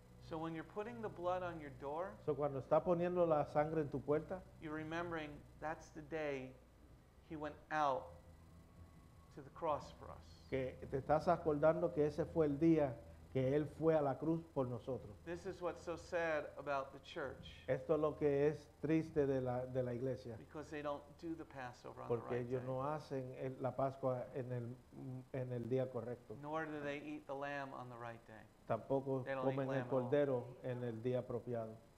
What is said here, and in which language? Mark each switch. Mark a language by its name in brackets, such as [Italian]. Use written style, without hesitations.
[English] So when you're putting the blood on your door, [Spanish] so cuando está poniendo la sangre en tu puerta, [English] you're remembering that's the day he went out to the cross for us. [Spanish] Que te estás acordando que ese fue el día que él fue a la cruz por nosotros. [English] This is what's so sad about the church. [Spanish] Esto es lo que es triste de la iglesia. [English] Because they don't do the Passover on the right. [Spanish] Porque ellos no hacen la Pascua en el día correcto. [English] Nor do they eat the lamb on the right day. [Spanish] Tampoco comen el cordero en el día apropiado.